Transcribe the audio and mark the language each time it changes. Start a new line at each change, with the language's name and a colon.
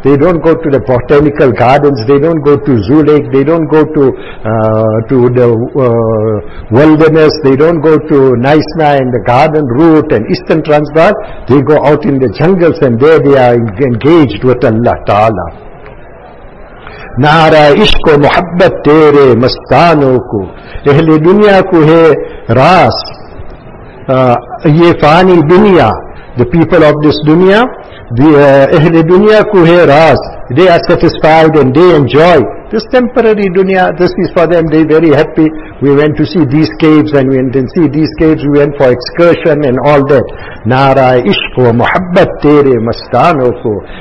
English: They don't go to the botanical gardens, they don't go to Zoo Lake, they don't go to the wilderness, they don't go to Naisna and the garden route and Eastern Transvaal. They go out in the jungles and there they are engaged with Allah Ta'ala.
Urdu: نعرہ عشق و محبت تیرے مستانوں کو اہل دنیا کو ہے راس یہ فانی دنیا.
English: The people of this dunya,
Urdu: اہل دنیا کو ہے راس.
English: They are satisfied and they enjoy this temporary dunya. This is for them, they are very happy. We went to see these caves and we went for excursion and all that.
Urdu: نعرہ عشق و محبت تیرے مستانوں کو.